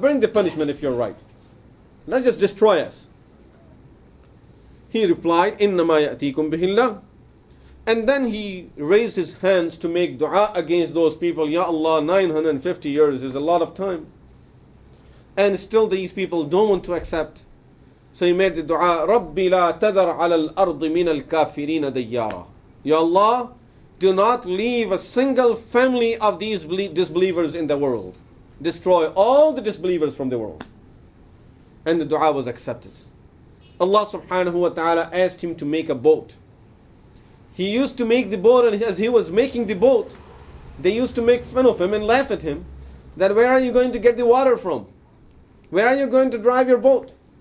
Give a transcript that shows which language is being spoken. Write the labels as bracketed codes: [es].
[en] Bring the punishment if you're right. Not just destroy us. He replied, [ar] Innama ya'tikum bihi Allah. [en] And then he raised his hands to make dua against those people. Ya Allah, 950 years is a lot of time. And still these people don't want to accept. So he made the dua, [ar] رَبِّ لَا تَذَرْ عَلَى الْأَرْضِ مِنَ الْكَافِرِينَ دَيَّارًا. [en] Ya Allah, do not leave a single family of these disbelievers in the world. Destroy all the disbelievers from the world. And the dua was accepted. Allah subhanahu wa ta'ala asked him to make a boat. He used to make the boat, and as he was making the boat, they used to make fun of him and laugh at him, that where are you going to get the water from? Where are you going to drive your boat?